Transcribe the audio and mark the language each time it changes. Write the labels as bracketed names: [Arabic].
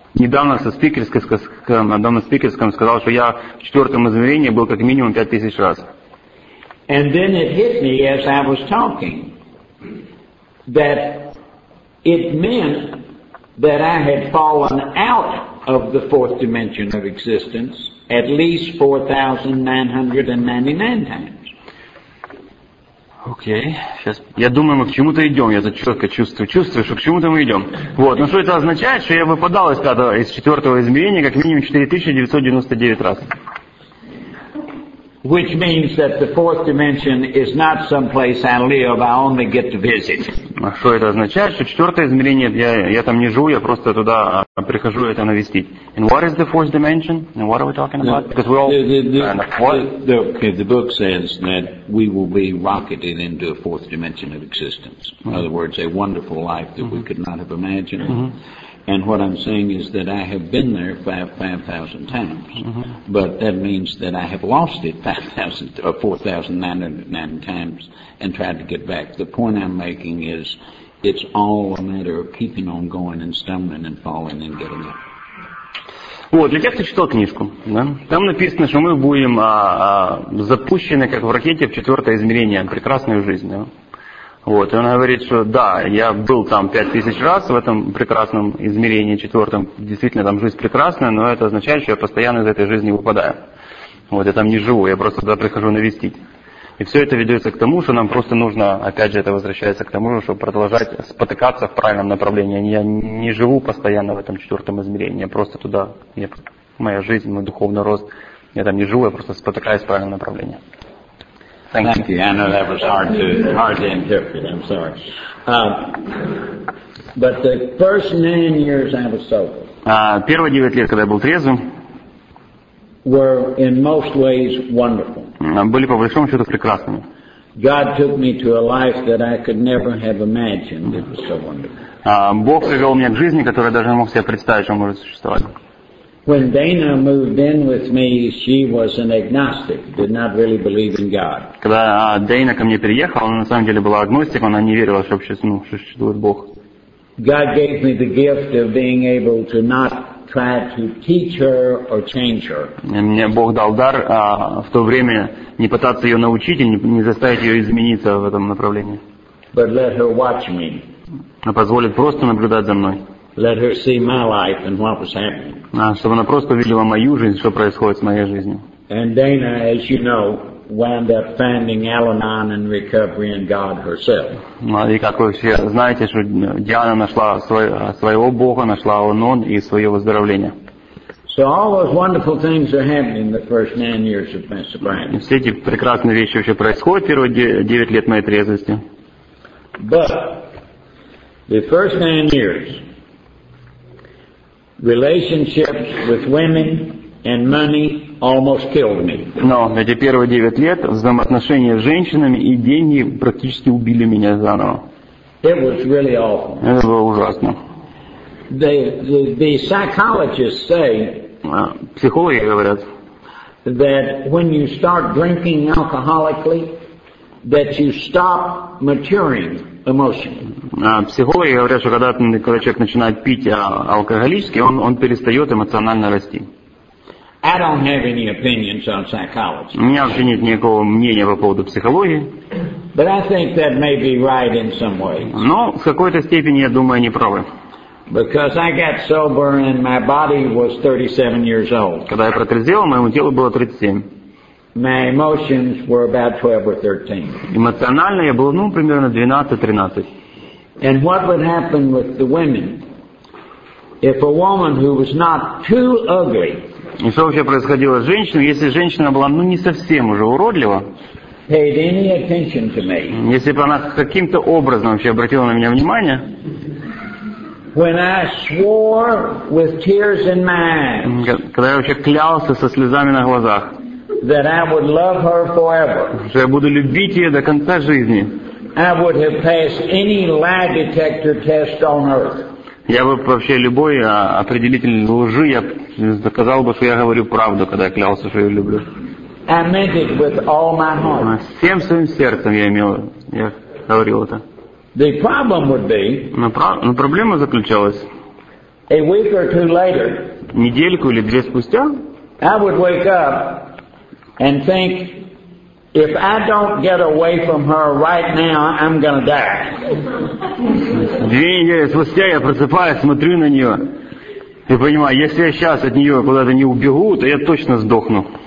[Russian] Я недавно на спикерском сказал, что я в четвертом измерении был как минимум 5,000 раз. [English] And then it hit me as I was talking that it meant that I had fallen out of the fourth dimension of existence at least 4,999 times. [Russian] Окей, сейчас. Я думаю, мы к чему-то идем. Я это четко чувствую, что к чему-то мы идем. Вот, но что это означает, что я выпадал из четвертого измерения как минимум 4999 раз. [English] Which means that the fourth dimension is not some place I live, I only get to visit. [Russian] Что это означает? Что четвертое измерение, я там не живу, я просто туда прихожу это навестить. [English] And what is the fourth dimension? And what are we talking about? Because we're all... The book says that we will be rocketed into a fourth dimension of existence. In other words, a wonderful life that we could not have imagined. And what I'm saying is that I have been there 5,000 times. But that means that I have lost it 4,909 times and tried to get back. The point I'm making is it's all a matter of keeping on going and stumbling and falling and getting up. [Russian] Вот, для тех, кто читал книжку, да? Там написано, что мы будем запущены, как в ракете, в четвертое измерение, прекрасную жизнь, да? Вот, и он говорит, что да, я был там 5000 раз в этом прекрасном измерении четвертом, действительно там жизнь прекрасная, но это означает, что я постоянно из этой жизни выпадаю. Вот, я там не живу, я просто туда прихожу навестить. И все это ведется к тому, что нам просто нужно, опять же, это возвращается к тому, чтобы продолжать спотыкаться в правильном направлении. Я не живу постоянно в этом четвертом измерении, я просто туда, моя жизнь, мой духовный рост, я там не живу, я просто спотыкаюсь в правильном направлении. [English] Thank you. I know that was hard to interpret. I'm sorry. But the first 9 years I was sober. [Russian] Первые 9 лет, когда я был трезвым, [English] were in most ways wonderful. [Russian] Были по большому счету прекрасными. [English] God took me to a life that I could never have imagined. It was so wonderful. [Russian] Бог привел меня к жизни, которую я даже не мог себе представить, что может существовать. [English] When Dana moved in with me, she was an agnostic, did not really believe in God. [Russian] Когда Дейна ко мне переехала, она на самом деле была агностиком, она не верила, что вообще существует Бог. [English] God gave me the gift of being able to not try to teach her or change her. [Russian] Мне Бог дал дар в то время не пытаться ее научить и не заставить ее измениться в этом направлении. [English] But let her watch me. [Russian] А позволит просто наблюдать за мной. [English] Let her see my life and what was happening. [Russian] Чтобы она просто видела мою жизнь, что происходит с моей жизнью. [English] And Dana, as you know, wound up finding Al-Anon and recovery in God herself. [Russian] И как вы все знаете, что Диана нашла своего Бога, нашла Анон и свое выздоровление. [English] So all those wonderful things are happening the first 9 years of my sobriety. [Russian] Все эти прекрасные вещи вообще происходят первые 9 лет моей трезвости. [English] But the first 9 years. Relationships with women and money almost killed me. [Russian] Но эти первые 9 лет взаимоотношения с женщинами и деньги практически убили меня заново. [English] It was really awful. [Russian] Это было ужасно. [English] The psychologists say. [Russian] Психологи говорят. [English] That when you start drinking alcoholically, that you stop maturing. [Russian] Психологи говорят, что когда человек начинает пить алкоголически, он перестает эмоционально расти. [English] I don't have any opinions on psychology. [Russian] У меня вообще нет никакого мнения по поводу психологии. [English] But I think that may be right in some ways. [Russian] Но в какой-то степени, я думаю, они правы. [English] Because I got sober and my body was 37 years old. [Russian] Когда я протрезвел, моему телу было 37. [English] My emotions were about 12 or 13. [Russian] Эмоционально я был, примерно 12-13. [English] And what would happen with the women if a woman who was not too ugly? [Russian] И что вообще происходило с женщиной, если женщина была, не совсем уже уродлива? [English] Paid any attention to me? [Russian] Если бы она каким-то образом вообще обратила на меня внимание? [English] When I swore with tears in my eyes. [Russian] Когда я вообще клялся со слезами на глазах. [English] That I would love her forever. [Russian] Что я буду любить ее до конца жизни. [English] I would have passed any lie detector test on earth. [Russian] Я бы вообще любой определитель лжи, я доказал бы, что я говорю правду, когда я клялся, что ее люблю. [English] I meant it with all my heart. [Russian] Всем своим сердцем я говорил это. [English] The problem would be. [Russian] Но проблема заключалась. [English] A week or two later. [Russian] Недельку или две спустя. [English] I would wake up. And think, if I don't get away from her right now, I'm gonna die. [Russian] Две недели спустя я просыпаюсь, смотрю на нее и понимаю, если я сейчас от нее куда-то не убегу, то я точно сдохну.